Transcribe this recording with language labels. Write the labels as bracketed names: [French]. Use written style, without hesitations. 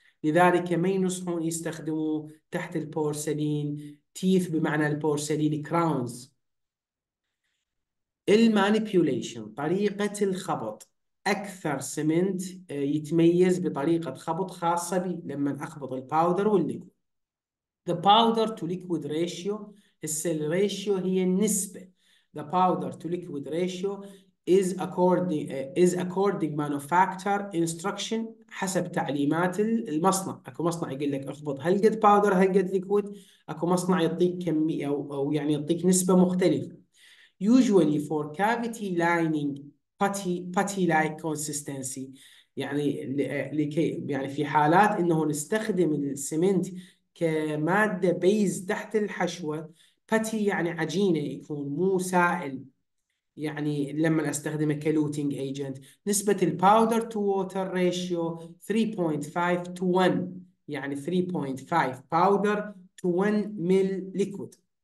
[Arabic] لذلك ما ينصحون يستخدموه تحت البورسلين تيث، بمعنى البورسلين كراونز. المانيبيوليشن، طريقة الخبط، اكثر سمنت يتميز بطريقة خبط خاصة بي لما اخبط الباودر والليكويد. [English] The powder to liquid ratio، [Arabic] هسه الريشيو هي النسبة. [English] The powder to liquid ratio is according manufacturer instruction، [Arabic] حسب تعليمات المصنع. اكو مصنع يقول لك اخبط هالقد باودر هالقد ليكويد، اكو مصنع يعطيك كمية او يعني يعطيك نسبة مختلفة. [English] Usually for cavity lining putty like consistency، [Arabic] يعني لكي يعني في حالات انه نستخدم السمنت كمادة بيز تحت الحشوة، باتي يعني عجينة يكون مو سائل، يعني لما استخدمه كلوتينج ايجنت نسبة الباودر تو ووتر ريشيو 3.5 تو 1، يعني 3.5 باودر تو 1 مل ليكويد.